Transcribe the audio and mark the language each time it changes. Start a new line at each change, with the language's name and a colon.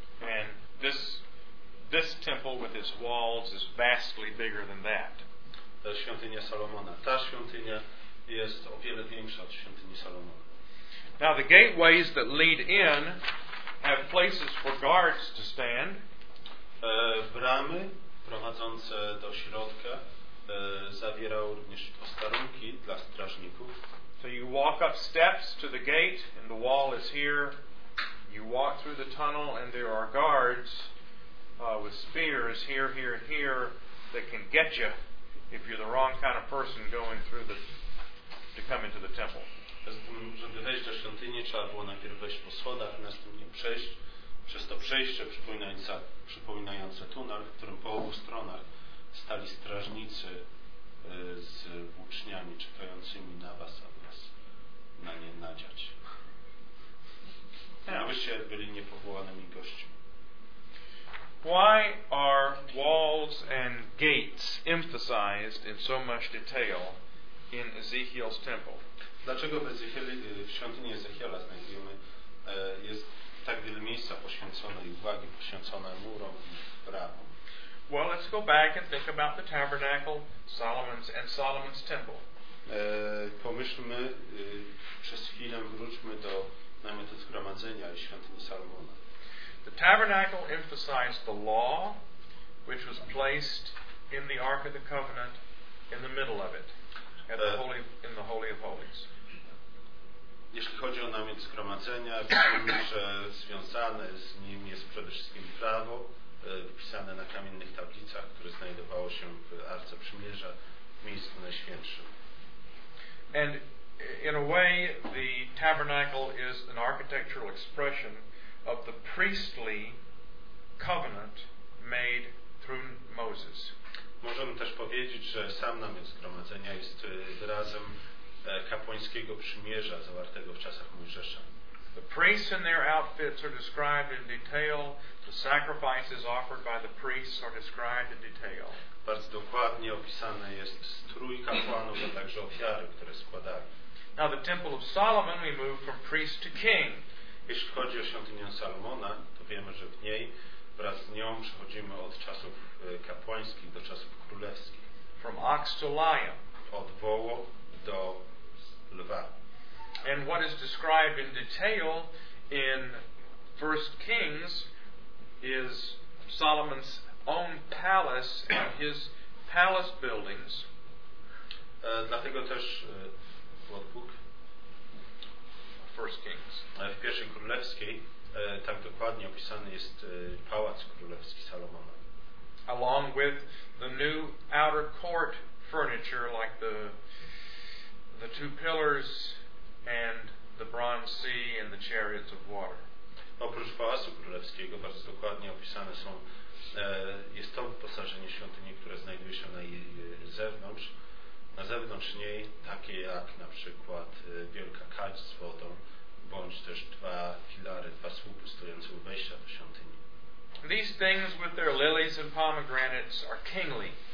English: And this temple with its walls is vastly bigger than that.
Polish: Ta świątynia Salomona. Ta świątynia jest o wiele większa od świątyni Salomona.
English: Now the gateways that lead in have places for guards to stand.
Polish: Bramy prowadzące do środka zawierały również posterunki dla strażników.
English: So you walk up steps to the gate and the wall is here. You walk through the tunnel and there are guards with spears here that can get you if you're the wrong kind of person going through to come into the temple.
Polish: Zatem, żeby wejść do świątyni, trzeba było najpierw wejść po schodach, a następnie przejść przez to przejście przypominające tunel, w którym po obu stronach stali strażnicy z włóczniami czekającymi na was, aby was na nie nadziać. Abyście byli niepowołanymi gośćmi.
English: Why are walls and gates emphasized in so much detail in Ezekiel's temple?
Polish: Dlaczego w świątyni Ezechiela znajdujemy jest tak wiele miejsca poświęcone i uwagi poświęcone murom i bramom?
English: Well, let's go back and think about the tabernacle, Solomon's temple.
Polish: Pomyślmy przez chwilę, wróćmy do namiotu zgromadzenia i świątyni Salomona.
English: The tabernacle emphasized the law, which was placed in the Ark of the Covenant, in the middle of it. In the Holy of Holies.
Polish: Jeśli chodzi o namiot zgromadzenia, że związane z nim jest przede wszystkim prawo wpisane na kamiennych tablicach, które znajdowało się w Arce Przymierza, w miejscu najświętszym.
English: And in a way the tabernacle is an architectural expression of the priestly covenant made through Moses.
Polish: Możemy też powiedzieć, że sam namiot zgromadzenia jest wyrazem kapłańskiego przymierza zawartego w czasach Mojżesza.
English: The priests in their outfits are described in detail. The sacrifices offered by the priests are described in detail.
Polish: Bardzo dokładnie opisany jest strój kapłanów, a także ofiary, które składali.
English: Now the temple of Solomon, we move from priest to king.
Polish: Jeśli chodzi o świątynię Salomona, to wiemy, że w niej wraz z nią przechodzimy od czasów kapłańskich do czasów królewskich.
English: From ox to lion.
Polish: Od wołu do lwa.
English: And what is described in detail in 1 Kings is Solomon's own palace and his palace buildings.
Polish: Dlatego też
English: what book? 1 Kings.
Polish: W pierwszej królewskiej tak dokładnie opisany jest pałac królewski Salomona.
English: Along with the new outer court furniture, like the two pillars and the bronze sea and the chariots of water.
Polish: Oprócz pałacu królewskiego bardzo dokładnie opisane są jest to wyposażenie świątyni, które znajduje się na jej zewnątrz. Na zewnątrz niej takie jak na przykład wielka kadź z wodą, bądź też dwa filary, dwa słupy stojące u wejścia do świątyni.
English: These things with their lilies and pomegranates are kingly.